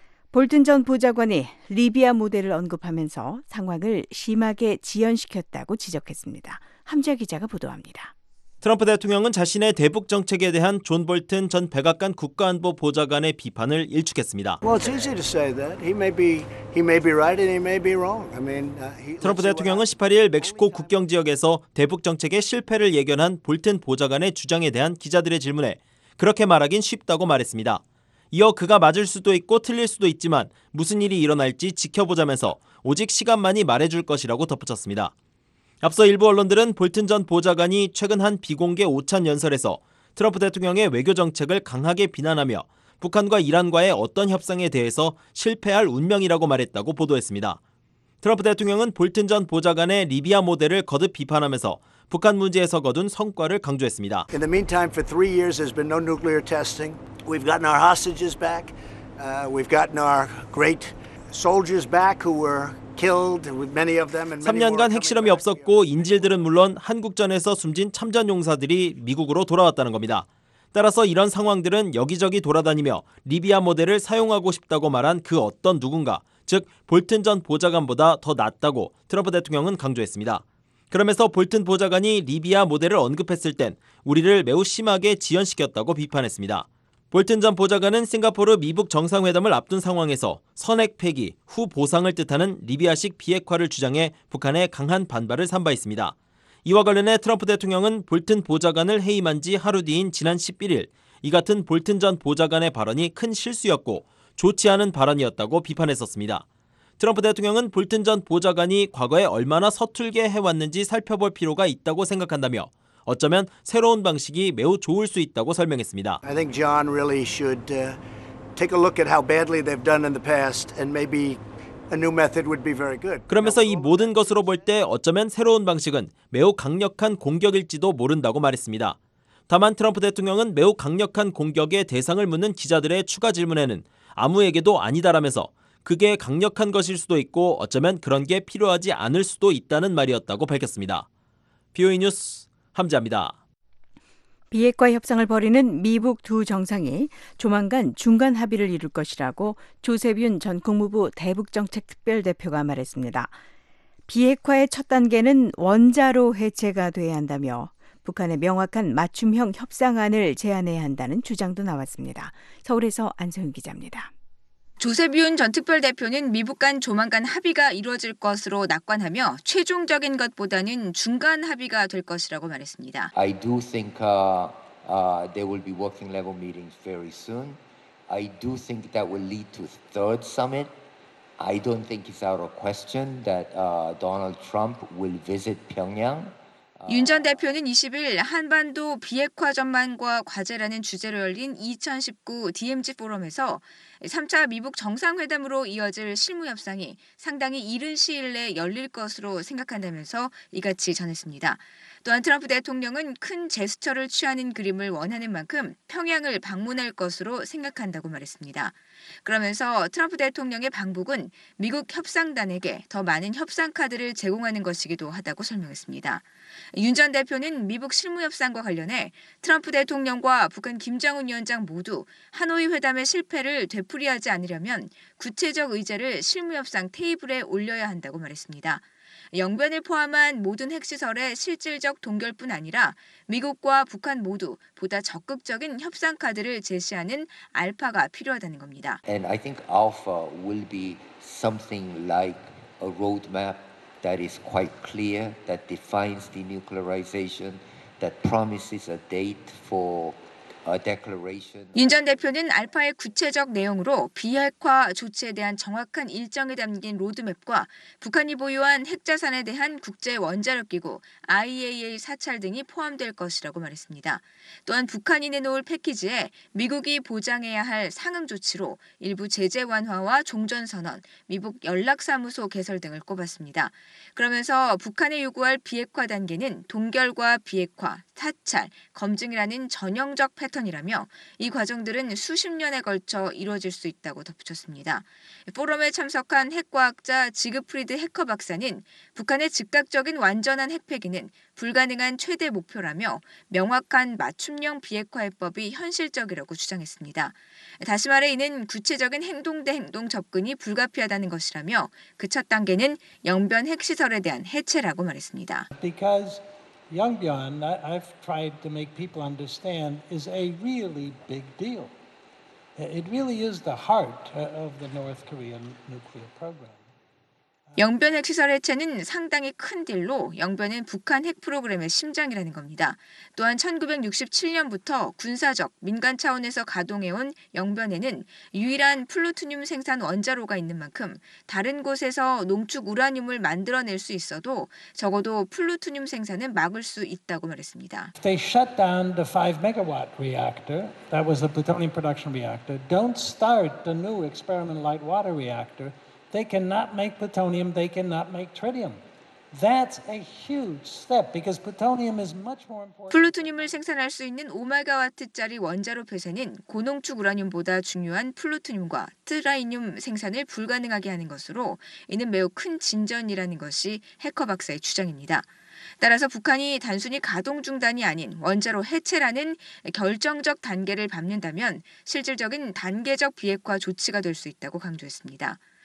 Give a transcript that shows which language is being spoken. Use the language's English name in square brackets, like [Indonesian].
[Korean] 볼튼 전 보좌관이 리비아 모델을 언급하면서 상황을 심하게 지연시켰다고 지적했습니다. 함재 기자가 보도합니다. 트럼프 대통령은 자신의 대북 정책에 대한 존 볼튼 전 백악관 국가안보 보좌관의 비판을 일축했습니다. [English] Well, it's easy to say that. He may be right and he may be wrong. [Korean] Trump 대통령은 18일 멕시코 국경 지역에서 대북 정책의 실패를 예견한 볼튼 보좌관의 주장에 대한 기자들의 질문에 그렇게 말하긴 쉽다고 말했습니다. 이어 그가 맞을 수도 있고 틀릴 수도 있지만 무슨 일이 일어날지 지켜보자면서 오직 시간만이 말해줄 것이라고 덧붙였습니다. 앞서 일부 언론들은 볼튼 전 보좌관이 최근 한 비공개 오찬 연설에서 트럼프 대통령의 외교 정책을 강하게 비난하며 북한과 이란과의 어떤 협상에 대해서 실패할 운명이라고 말했다고 보도했습니다. 트럼프 대통령은 볼튼 전 보좌관의 리비아 모델을 거듭 비판하면서 북한 문제에서 거둔 성과를 강조했습니다. [English] In the meantime, for 3 years, there's been no nuclear testing. We've gotten our hostages back. We've gotten our great soldiers back who were killed. Many of them. [Korean] 3년간 핵실험이 없었고 인질들은 물론 한국전에서 숨진 참전용사들이 미국으로 돌아왔다는 겁니다. 따라서 이런 상황들은 여기저기 돌아다니며 리비아 모델을 사용하고 싶다고 말한 그 어떤 누군가, 즉 볼튼 전 보좌관보다 더 낫다고 트럼프 대통령은 강조했습니다. 그러면서 볼튼 보좌관이 리비아 모델을 언급했을 땐 우리를 매우 심하게 지연시켰다고 비판했습니다. 볼튼 전 보좌관은 싱가포르 미북 정상회담을 앞둔 상황에서 선핵 폐기 후 보상을 뜻하는 리비아식 비핵화를 주장해 북한의 강한 반발을 산 바 있습니다. 이와 관련해 트럼프 대통령은 볼튼 보좌관을 해임한 지 하루 뒤인 지난 11일 이 같은 볼튼 전 보좌관의 발언이 큰 실수였고 좋지 않은 발언이었다고 비판했었습니다. 트럼프 대통령은 볼튼 전 보좌관이 과거에 얼마나 서툴게 해왔는지 살펴볼 필요가 있다고 생각한다며 어쩌면 새로운 방식이 매우 좋을 수 있다고 설명했습니다. [English] I think John really should take a look at how badly they've done in the past and maybe a new method would be very good. [Korean] 그러면서 이 모든 것으로 볼 때 어쩌면 새로운 방식은 매우 강력한 공격일지도 모른다고 말했습니다. 다만 트럼프 대통령은 매우 강력한 공격의 대상을 묻는 기자들의 추가 질문에는 아무에게도 아니다라면서 그게 강력한 것일 수도 있고 어쩌면 그런 게 필요하지 않을 수도 있다는 말이었다고 밝혔습니다. VOA 뉴스 함재입니다. 비핵화 협상을 벌이는 미북 두 정상이 조만간 중간 합의를 이룰 것이라고 조셉 윤 전 국무부 대북정책특별대표가 말했습니다. 비핵화의 첫 단계는 원자로 해체가 돼야 한다며 북한의 명확한 맞춤형 협상안을 제안해야 한다는 주장도 나왔습니다. 서울에서 안소윤 기자입니다. 조셉 윤 전 특별대표는 미북 간 조만간 합의가 이루어질 것으로 낙관하며 최종적인 것보다는 중간 합의가 될 것이라고 말했습니다. [English] I do think there will be working level meetings very soon. I do think that will lead to third summit. I don't think it's out of question that Donald Trump will visit Pyongyang. [Korean] 윤 전 대표는 20일 한반도 비핵화 전망과 과제라는 주제로 열린 2019 DMZ 포럼에서 3차 미북 정상회담으로 이어질 실무협상이 상당히 이른 시일 내에 열릴 것으로 생각한다면서 이같이 전했습니다. 또한 트럼프 대통령은 큰 제스처를 취하는 그림을 원하는 만큼 평양을 방문할 것으로 생각한다고 말했습니다. 그러면서 트럼프 대통령의 방북은 미국 협상단에게 더 많은 협상 카드를 제공하는 것이기도 하다고 설명했습니다. 윤 전 대표는 미국 실무협상과 관련해 트럼프 대통령과 북한 김정은 위원장 모두 하노이 회담의 실패를 되풀이하지 않으려면 구체적 의제를 실무협상 테이블에 올려야 한다고 말했습니다. 영변을 포함한 모든 핵시설의 실질적 동결뿐 아니라 미국과 북한 모두 보다 적극적인 협상 카드를 제시하는 알파가 필요하다는 겁니다. [English] And I think alpha will be something like a roadmap that is quite clear, that defines denuclearization, that promises a date for a declaration. [Korean] 윤 전 대표는 알파의 구체적 내용으로 비핵화 조치에 대한 정확한 일정이 담긴 로드맵과 북한이 보유한 핵자산에 대한 국제원자력기구 IAEA 사찰 등이 포함될 것이라고 말했습니다. 또한 북한이 내놓을 패키지에 미국이 보장해야 할 상응 조치로 일부 제재 완화와 종전선언, 미북 연락사무소 개설 등을 꼽았습니다. 그러면서 북한에 요구할 비핵화 단계는 동결과 비핵화, 사찰, 검증이라는 전형적 패턴이라며 이 과정들은 수십 년에 걸쳐 이루어질 수 있다고 덧붙였습니다. 포럼에 참석한 핵과학자 지그프리드 해커 박사는 북한의 즉각적인 완전한 핵폐기는 불가능한 최대 목표라며 명확한 맞춤형 비핵화 해법이 현실적이라고 주장했습니다. 다시 말해 이는 구체적인 행동 대 행동 접근이 불가피하다는 것이라며 그 첫 단계는 영변 핵시설에 대한 해체라고 말했습니다. [English] Because Yongbyon, I've tried to make people understand, is a really big deal. It really is the heart of the North Korean nuclear program. [Korean] 영변 핵시설 해체는 상당히 큰 딜로 영변은 북한 핵 프로그램의 심장이라는 겁니다. 또한 1967년부터 군사적, 민간 차원에서 가동해온 영변에는 유일한 플루토늄 생산 원자로가 있는 만큼 다른 곳에서 농축 우라늄을 만들어낼 수 있어도 적어도 플루토늄 생산은 막을 수 있다고 말했습니다. [English] They shut down the 5-megawatt reactor, that was the plutonium production reactor. Don't start the new experimental light water reactor. They cannot make plutonium, they cannot make tritium. That's a huge step because plutonium is much more important. [Korean] 플루토늄을 생산할 수 있는 5메가와트짜리 원자로 폐쇄는 고농축 우라늄보다 중요한 플루토늄과 트라이늄 생산을 불가능하게 하는 것으로 이는 매우 큰 진전이라는 것이 해커 박사의 주장입니다. 따라서 북한이 단순히 가동 중단이 아닌 원자로 해체라는 결정적 단계를 밟는다면 실질적인 단계적 비핵화 조치가 될 수 있다고 강조했습니다.